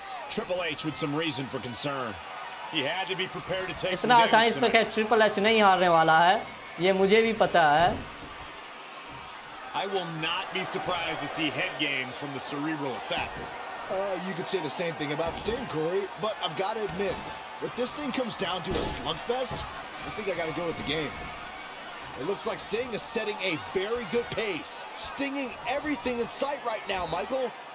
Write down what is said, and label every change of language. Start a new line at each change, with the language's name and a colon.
English: Triple H with some reason for concern. He had to be prepared to take some damage.
Hindi: इतना आसानी से Triple H नहीं हारने वाला है, ये मुझे भी पता है।
English: I will not be surprised to see head games from the Cerebral Assassin. You could say the same thing about Sting, Corey, but I've got to admit, if this thing comes down to a slugfest, I think I got to go with the game. It looks like Sting is setting a very good pace, stinging everything in sight right now, Michael.